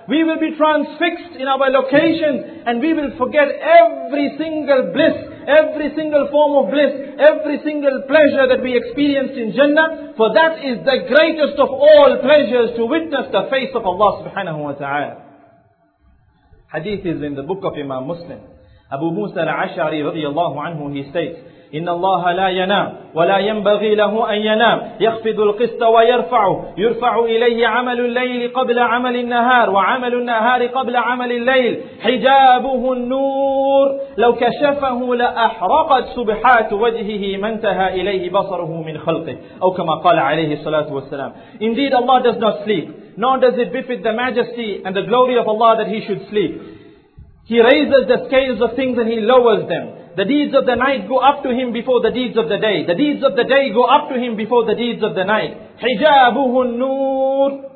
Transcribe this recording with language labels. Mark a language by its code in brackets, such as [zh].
[en] We will be transfixed in our location, and we will forget every single bliss, every single form of bliss, every single pleasure that we experienced in Jannah, for that is the greatest of all pleasures, to witness the face of Allah subhanahu wa ta'ala. Hadith is in the book of Imam Muslim. [ar] Abu Musa al-Ash'ari radiyallahu anhu, [en] he states, [ar] إِنَّ اللَّهَ لَا يَنَامُ وَلَا يَنْبَغِي لَهُ أَنْ يَنَامُ يَخْفِضُ الْقِسْطَ وَيَرْفَعُهُ يُرْفَعُ إِلَيْهِ عَمَلُ اللَّيْلِ قَبْلَ عَمَلِ النَّهَارِ وَعَمَلُ النَّهَارِ قَبْلَ عَمَلِ اللَّيْلِ حِجَابُهُ النُّورُ لَوْ كَشَفَهُ لَأَحْرَقَتْ سُبْحَاتُ وَجْهِهِ مَنْ تَهَى إِلَيْهِ بَصَرُهُ مِنْ خَلْقِهِ أو كما قال عليه الصلاة والسلام. [en] Indeed Allah does not sleep, nor does it befit the majesty and the glory of Allah that He should sleep. He raises the scales of things and He lowers them. The deeds of the night go up to Him before the deeds of the day. The deeds of the day go up to Him before the deeds of the night. [ar] حِجَابُهُ النُّورِ.